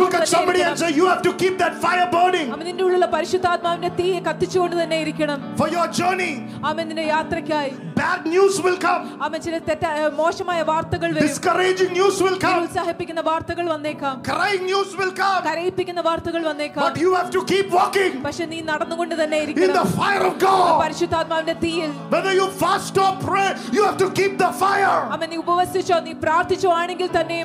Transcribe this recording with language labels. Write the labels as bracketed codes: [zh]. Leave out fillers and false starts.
[en] Look at somebody and say, you have to keep that fire burning. [ml] അമ്മ നിന്റെ ഉള്ളിലുള്ള പരിശുദ്ധാത്മാവിന്റെ തീ കത്തിച്ചുകൊണ്ട് തന്നെ ഇരിക്കണം. [en] For your journey. [ml] അമ്മ നിന്റെ യാത്രയ്ക്കായി. [en] Bad news will come. [ml] അമ്മ ചില മോശമായ വാർത്തകൾ വരും. [en] Discouraging news will come. [ml] ഉത്സാഹിപ്പിക്കുന്ന വാർത്തകൾ വന്നേക്കാം. [en] Crying news will come. [ml] കരയിപ്പിക്കുന്ന വാർത്തകൾ വന്നേക്കാം. [en] But you have to keep walking. [ml] പക്ഷേ നീ നടന്നുകൊണ്ട് തന്നെ ഇരിക്കണം. [en] In the fire of [ml] പരിശുദ്ധാത്മാവിന്റെ തീയിൽ. [en] Whether you fast or pray, you have to keep the fire. [ml] അമ്മേ നീ ഉപവസിച്ചോ നീ പ്രാർത്ഥിച്ചോ ആണെങ്കിൽ തന്നെ